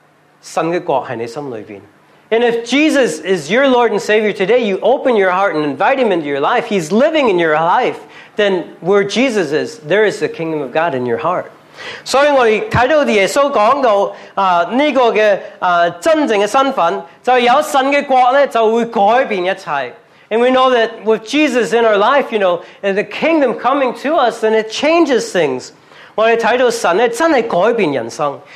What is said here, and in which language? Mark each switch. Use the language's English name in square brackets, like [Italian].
[Chinese] 如果你是信耶稣,你邀请耶稣进入你生命,你有耶稣居住在你心里面,神的国在你心里面。 [English] And if Jesus is your Lord and Savior today, you open your heart and invite him into your life, he's living in your life, then where Jesus is, there is the kingdom of God in your heart. [Chinese] 所以我们看到耶稣讲到这个真正的身份,就有神的国就会改变一切。 [English] And we know that with Jesus in our life, you know, and the kingdom coming to us, then it changes things. [Chinese] 我们看到神真的改变人生。